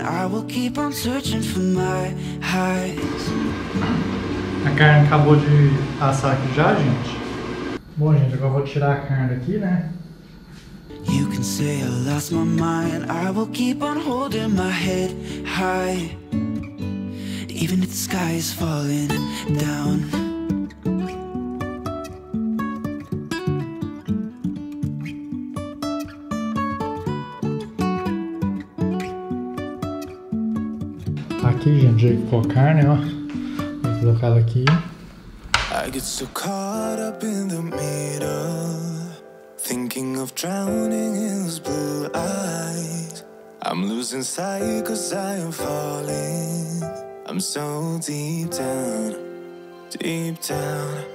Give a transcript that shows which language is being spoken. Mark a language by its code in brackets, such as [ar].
[en] I will keep on searching for my highs. [pt] A carne acabou de assar aqui já, gente. Bom, gente, agora eu vou tirar a carne daqui, né? [en] You can say I lost my mind. I will keep on holding my head high. Even if the sky is falling down. [pt] Aqui, gente, já ficou a carne, ó. Vou colocar ela aqui. [en] I get so caught up in the middle, thinking of drowning in those blue eyes. I'm losing sight 'cause I am falling. I'm so deep down, deep down.